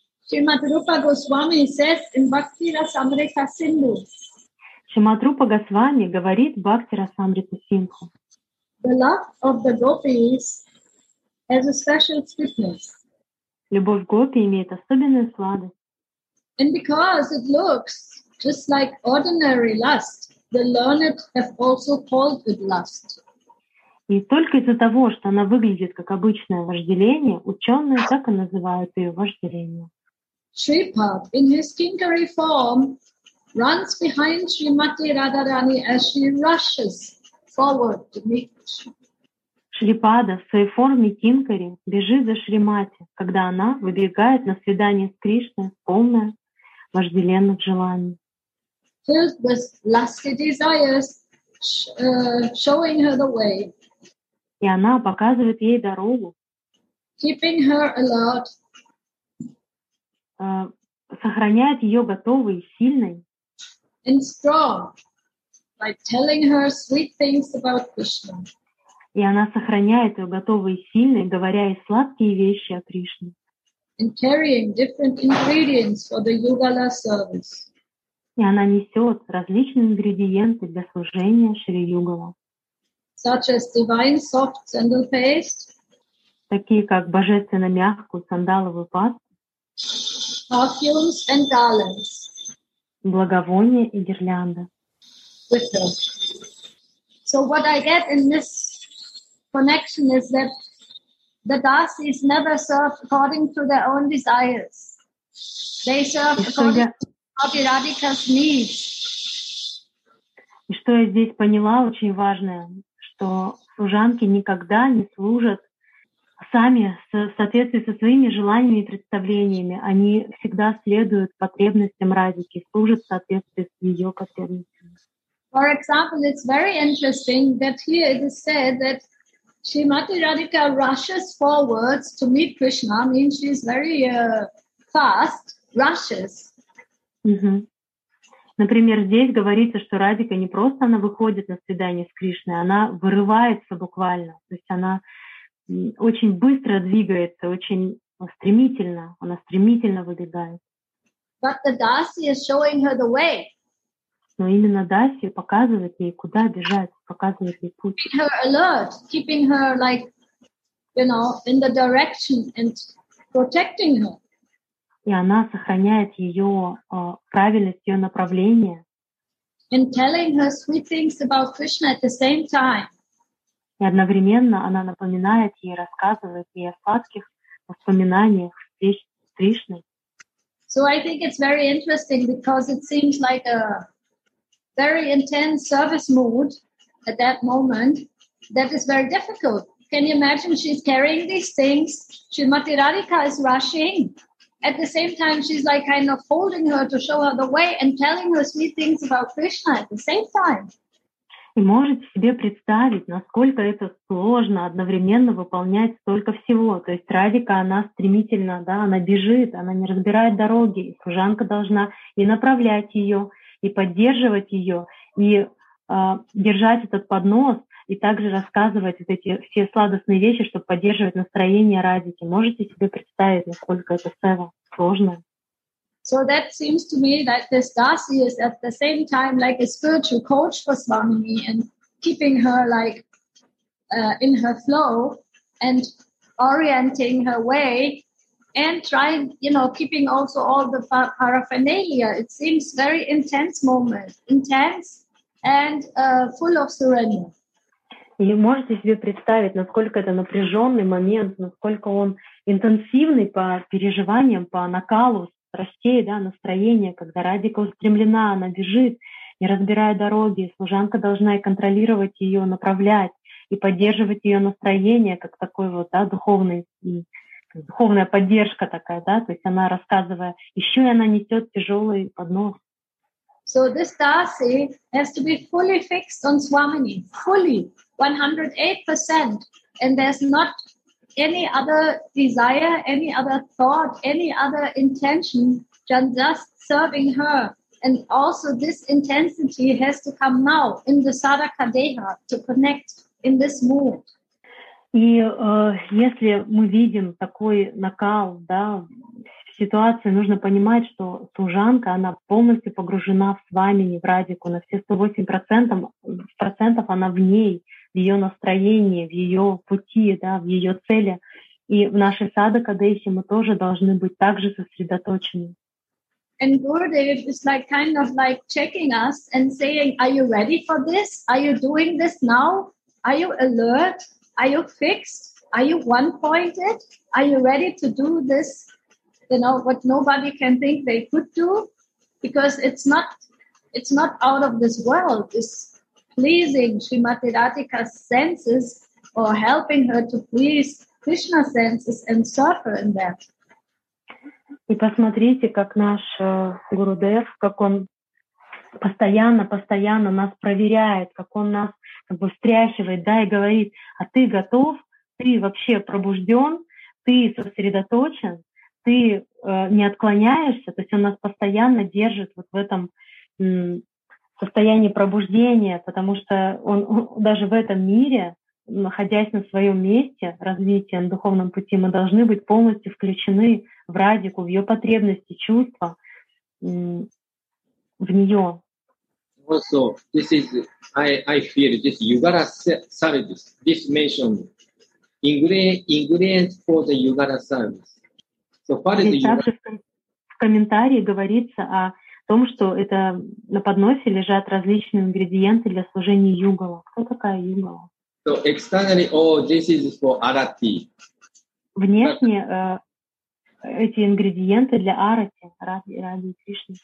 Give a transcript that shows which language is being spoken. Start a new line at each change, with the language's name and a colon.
English: Шримад Рупа Госвами says in Bhakti Rasamrita Sindhu.
Russian: Шримад Рупа Госвами говорит Бхакти Расамрита Синдху.
English: The love of the gopis has a special sweetness.
Russian: Любовь гопи имеет особенную сладость.
English: And because it looks just like ordinary lust, the learned have also called it lust.
Russian: И только из-за того, что она выглядит как обычное вожделение, ученые так и называют ее вожделением.
English: Shripad, in his kinkari form, runs behind Srimati Radharani as she rushes forward to meet.
Russian: Шрипада в своей форме кинкари бежит за Шримати, когда она выбегает на свидание с Кришной, полная вожделенных желаний.
English: Filled with lusty desires, showing her the way.
Russian: И она показывает ей дорогу.
English: Keeping her alert.
Russian: Сохраняет ее готовой и сильной.
English: And strong. By telling her sweet things about Krishna.
Russian: И она сохраняет ее готовой и сильной, говоря ей сладкие вещи о Кришне.
English: And carrying different ingredients for the Yugala service.
Russian: И она несет различные ингредиенты для служения Шри Югала.
English: Such as divine soft sandal paste.
Russian: Такие как божественно мягкую сандаловую пасту.
English: Perfumes and garlands.
Russian: Благовония и гирлянда.
English: With her. So what I get in this connection is that the dasis never serve according to their own desires. They serve according to Bhakti Radhika's needs.
Russian: И что я здесь поняла, очень важное, что служанки никогда не служат сами в соответствии со своими желаниями и представлениями. Они всегда следуют потребностям Радики, служат в соответствии с ее потребностями.
English: For example, it's very interesting that here it is said that Srimati Radhika rushes forwards to meet Krishna, means she's very fast, rushes. Mm-hmm.
Russian: Например, здесь говорится, что Радика не просто она выходит на свидание с Кришной, она вырывается буквально, то есть она очень быстро двигается, очень стремительно, она стремительно выбегает.
English: But the dasi is showing her the way.
Russian: Но именно даси показывает ей, куда бежать, показывает ей путь.
English: Keeping her alert, keeping her like, you know, in the direction and protecting her.
Russian: И она сохраняет ее правильность, ее направление.
English: And telling her sweet things about Krishna at the same time.
Russian: И одновременно она напоминает ей, рассказывает ей о сладких воспоминаниях с Кришной.
English: So I think it's very interesting because it seems like a very intense service mood at that moment that is very difficult. Can you imagine she's carrying these things? Srimati Radhika is rushing. At the same time, she's like kind of holding her to show her the way and telling her sweet things about Krishna at the same time.
Russian: И можете себе представить, насколько это сложно одновременно выполнять столько всего. То есть Радика, она стремительно, да, она бежит, она не разбирает дороги. И служанка должна и направлять ее, и поддерживать ее, и держать этот поднос, и также рассказывать вот эти все сладостные вещи, чтобы поддерживать настроение Радики. Можете себе представить, насколько это сева сложно?
English: So that seems to me that this dasi is at the same time like a spiritual coach for Swamini and keeping her like in her flow and orienting her way and trying, you know, keeping also all the paraphernalia. It seems very intense moment, intense and full of surrender.
Russian: И можете себе представить, насколько это напряженный момент, насколько он интенсивный по переживаниям, по накалу. Расти, да, настроение, когда Радика устремлена, она бежит, не разбирая дороги, служанка должна и контролировать ее, направлять и поддерживать ее настроение, как такой вот, да, духовный, и духовная поддержка такая, да, то есть она рассказывая, еще и она несет тяжелый поднос.
English: So this dasi has to be fully fixed on Swamini, fully, 108%, and there's not any other desire, any other thought, any other intention than just serving her. And also this intensity has to come now in the sadaka deha to connect in this mood.
Russian: И если мы видим такой накал, да, в ситуации, нужно понимать, что служанка, она полностью погружена в свамини, в радику, на все 108% она в ней, в ее настроении, в ее пути, да, в ее цели. И в нашей садакадейхе мы тоже должны быть также сосредоточены.
English: And Gurudev is like kind of like checking us and saying, are you ready for this? Are you doing this now? Are you alert? Are you fixed? Are you one-pointed? Are you ready to do this? You know, what nobody can think they could do? Because it's not out of this world. It's pleasing Srimati Radhika's senses or helping her to please Krishna's senses and suffer in that.
Russian: И посмотрите, как наш Гурудев, как он постоянно нас проверяет, как он нас как бы встряхивает, да, и говорит, а ты готов? Ты вообще пробужден? Ты сосредоточен? Ты не отклоняешься? То есть он нас постоянно держит вот в этом состоянии пробуждения, потому что он даже в этом мире, находясь на своем месте развития на духовном пути, мы должны быть полностью включены в радику, в ее потребности, чувства, в нее.
English: Also, this is I feel this yugara service. This mentioned ingredient for the yugara service. So what is yugara?
Russian: Также в комментарии говорится о том, что это на подносе лежат различные ингредиенты для служения югала. Кто такая югала?
English: So externally, this is for arati.
Russian: Внешне эти ингредиенты для арати, ради Кришны.